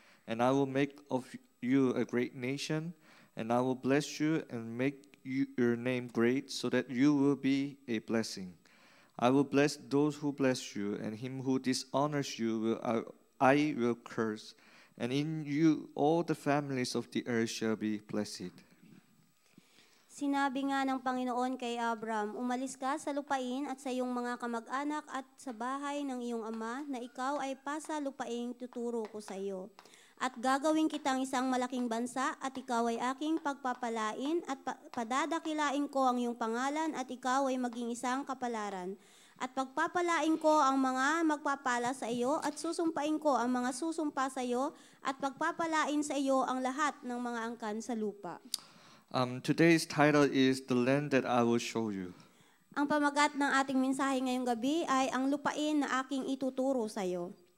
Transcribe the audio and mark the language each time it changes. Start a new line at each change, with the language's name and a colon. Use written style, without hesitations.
English: And I will make of you a great nation, and I will bless you and make you, your name great, so that you will be a blessing. I will bless those who bless you, and him who dishonors you will I will curse, and in you all the families of the earth shall be blessed."
Filipino: Sinabi nga ng Panginoon kay Abraham, "Umalis ka sa lupain at sa iyong mga kamag-anak at sa bahay ng iyong ama na ikaw ay pasalupain tuturo ko sa iyo. At gagawin kitang isang malaking bansa at ikaw ay aking pagpapalain at padadakilain ko ang iyong pangalan at ikaw ay maging isang kapalaran. At pagpapalain ko ang mga magpapala sa iyo at susumpain ko ang mga susumpa sa iyo at pagpapalain sa iyo ang lahat ng mga angkan sa lupa."
English: Today's title is "The Land That I Will Show You."
Filipino: Ang pamagat ng ating mensahe ngayong gabi ay ang lupain na aking ituturo sa iyo.